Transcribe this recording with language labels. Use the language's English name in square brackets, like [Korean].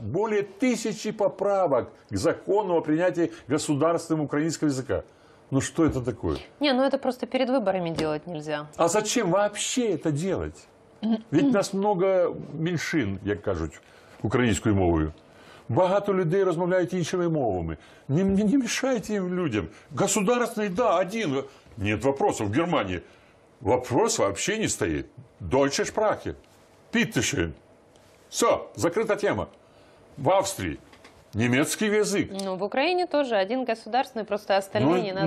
[Russian] Более 1000 поправок к закону о принятии государственным украинского языка. Ну что это такое? Не, ну это просто перед выборами делать нельзя. А зачем вообще это делать? Ведь нас много меньшин, как говорят, украинскую мову. [Ukrainian] Багато людей розмовляють іншими мовами. [Russian] Не мешайте им, людям. Государственный, да, один. Нет вопросов в Германии. Вопрос вообще не стоит. [German] Deutsche Sprache. [Russian] Питтешин. Все, закрыта тема. В Австрии немецкий язык. Ну, в Украине тоже один государственный, просто остальные не надо.